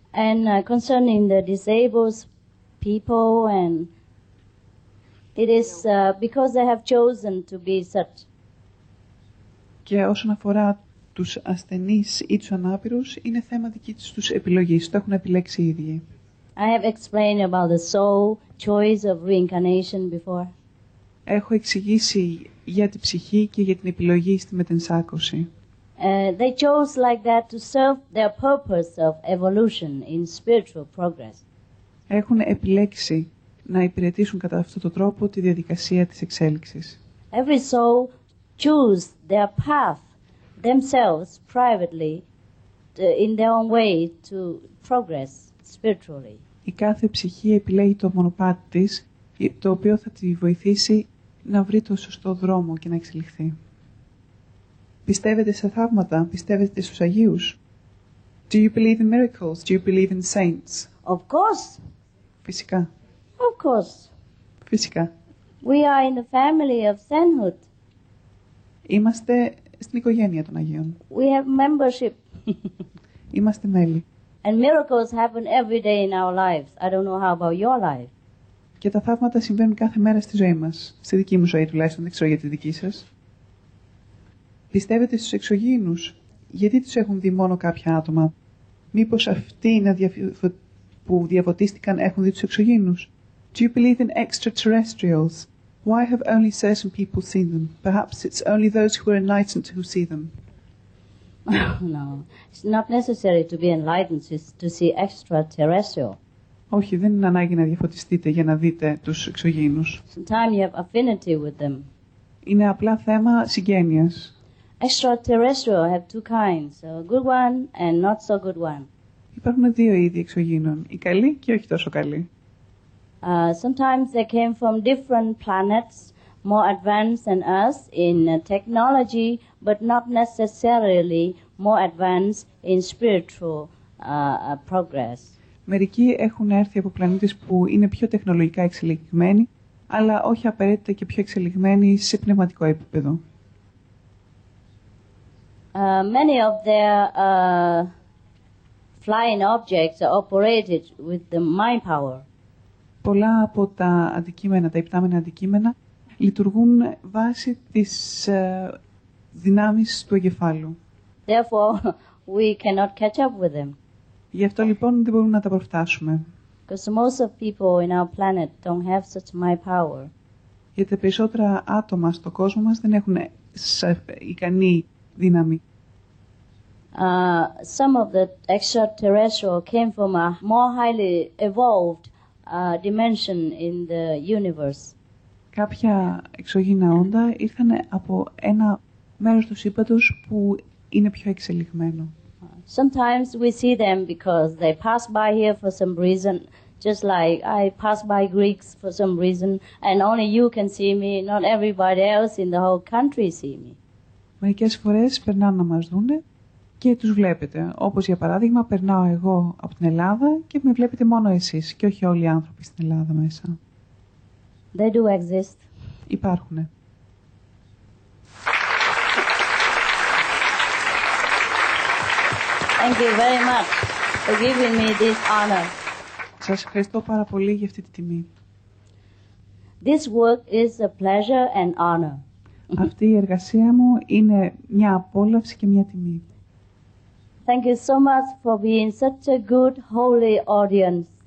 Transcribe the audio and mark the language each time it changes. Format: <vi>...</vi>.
<en>And concerning the disabled people and it is because they have chosen to be such.</en> <el>Και όσον αφορά τους ασθενείς ή τους ανάπηρους, είναι θέμα δική τους επιλογής. Το έχουν επιλέξει οι ίδιοι.</el> <en>I have explained about the soul choice of reincarnation before.</en> <el>Έχω εξηγήσει για την ψυχή και για την επιλογή στη μετενσάρκωση.</el> <en>They chose like that to serve their purpose of evolution in spiritual progress.</en> <el>Έχουν επιλέξει να υπηρετήσουν κατά αυτόν τον τρόπο τη διαδικασία της εξέλιξης.</el> <en>Every soul choose their path themselves privately in their own way to progress spiritually.</en> <el>Η κάθε ψυχή επιλέγει το μονοπάτι της, το οποίο θα τη βοηθήσει να βρει το σωστό δρόμο και να εξελιχθεί. Πιστεύετε σε θαύματα? Πιστεύετε στους Αγίους?</el> <en>Do you believe in miracles? Do you believe in saints? Of course.</en> <el>Φυσικά.</el> <en>Of course.</en> <el>Φυσικά.</el> <en>We are in the family of sainthood.</en> <el>Είμαστε στην οικογένεια των Αγίων.</el> <en>We have membership.</en> <el>Είμαστε μέλη.</el> <en>And miracles happen every day in our lives. I don't know how about your life.</en> <el>Και τα θαύματα συμβαίνουν κάθε μέρα στη ζωή μας. Στη δική μου ζωή τουλάχιστον, δεν ξέρω για τη δική σας. Πιστεύετε στους εξωγήινους? Γιατί τους έχουν δει μόνο κάποια άτομα? Μήπως αυτοί είναι που διαφωτίστηκαν έχουν δει τους εξωγήινους?</el> <en>Do you believe in extraterrestrials? Why have only certain people seen them? Perhaps it's only those who are enlightened who see them. No, it's not necessary to be enlightened to see extraterrestrial.</en> <el>Όχι, δεν είναι ανάγκη να διαφωτιστείτε για να δείτε τους εξωγήινους.</el> <en>Sometimes you have affinity with them.</en> <el>Είναι απλά θέμα συγγένειας.</el> <en>Extraterrestrial have two kinds, a good one and not so good one.</en> <el>Υπάρχουν δύο είδη εξωγήινων, οι καλοί και όχι τόσο καλοί.</el> <en>Sometimes they came from different planets, more advanced than us in technology, but not necessarily more advanced in spiritual progress.</en> <el>Μερικοί έχουν έρθει από πλανήτες που είναι πιο τεχνολογικά εξελιγμένοι, αλλά όχι απαραίτητα και πιο εξελιγμένοι σε πνευματικό επίπεδο.</el> <en>Many of their flying objects are operated with the mind power.</en> <el>Πολλά από τα αντικείμενα, τα υπτάμενα αντικείμενα, λειτουργούν βάσει της δυνάμεις του εγκεφάλου.</el> <en>Therefore, we cannot catch up with them.</en> <el>Γι' αυτό λοιπόν δεν μπορούμε να τα προφτάσουμε.</el> <en>Because most of people in our planet don't have such mind power.</en> <el>Γιατί περισσότερα άτομα στον κόσμο μας δεν έχουν ικανή δύναμη.</el> <en>Some of the extraterrestrial came from a more highly evolved dimension in the universe.</en> <el>Κάποια εξωγήινα όντα ήρθαν από ένα μέρος του σύμπαντος που είναι πιο εξελιγμένο.</el> <en>Sometimes we see them because they pass by here for some reason, just like I pass by Greeks for some reason, and only you can see me, not everybody else in the whole country see me.</en> <el>Μερικές φορές περνάνε να μας δούνε και τους βλέπετε. Όπως για παράδειγμα, περνάω εγώ από την Ελλάδα και με βλέπετε μόνο εσείς και όχι όλοι οι άνθρωποι στην Ελλάδα μέσα.</el> <en>They do exist.</en> <el>Υπάρχουνε.</el> <en>Thank you very much for giving me this honor.</en> <el>Σας ευχαριστώ πάρα πολύ για αυτή τη τιμή.</el> <en>This work is a pleasure and honor.</en> <el>Αυτή η εργασία μου είναι μια απόλαυση και μια τιμή.</el> <en>Thank you so much for being such a good holy audience.</en>